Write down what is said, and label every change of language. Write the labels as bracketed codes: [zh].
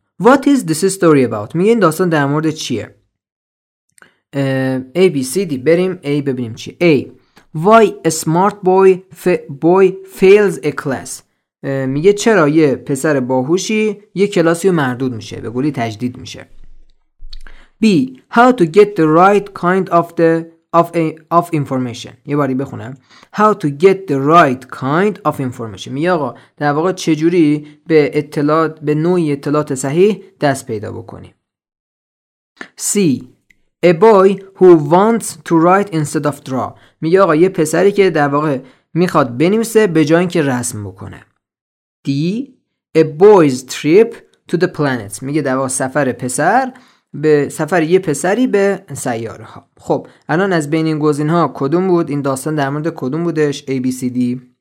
[en] what is this story about؟ [fa] میگه این داستان در مورد چیه؟ A B C D، بریم A ببینیم چی. [en] A why a smart boy fails a class. [fa] میگه چرا یه پسر باهوشی یه کلاسی رو مردود میشه، به قولی تجدید میشه. [en] B how to get the right kind of of information. [fa] یه باری بخونم. [en] How to get the right kind of information. [fa] میگه آقا در واقع چجوری به اطلاعات، به نوعی اطلاعات صحیح دست پیدا بکنی. [en] C a boy who wants to write instead of draw. [fa] میگه آقا یه پسری که در واقع میخواد بنویسه به جای اینکه رسم بکنه. [en] D a boy's trip to the planet. [fa] میگه در واقع سفر پسر، به سفر یه پسری به سیاره ها. خب الان از بین این گزینه ها کدوم بود؟ این داستان در مورد کدوم بودش؟ A B C D.